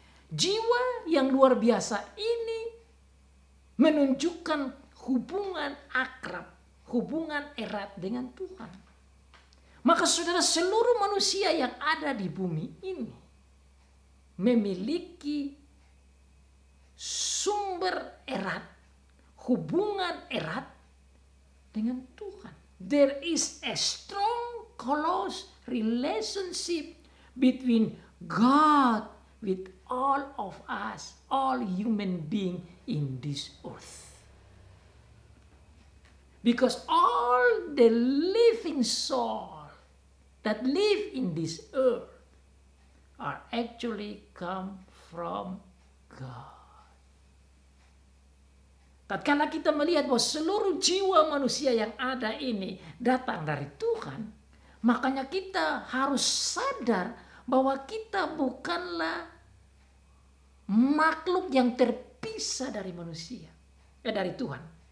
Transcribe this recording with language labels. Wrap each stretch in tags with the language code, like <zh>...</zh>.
<id>Jiwa yang luar biasa ini menunjukkan hubungan akrab, hubungan erat dengan Tuhan. Maka saudara, seluruh manusia yang ada di bumi ini memiliki sumber erat, hubungan erat dengan Tuhan.</id> <en>There is a strong, close relationship between God with all of us, all human being in this earth. Because all the living soul that live in this earth are actually come from God.</en> <id>Tatkala kita melihat bahwa seluruh jiwa manusia yang ada ini datang dari Tuhan, makanya kita harus sadar bahwa kita bukanlah makhluk yang terpisah dari manusia, dari Tuhan.</id>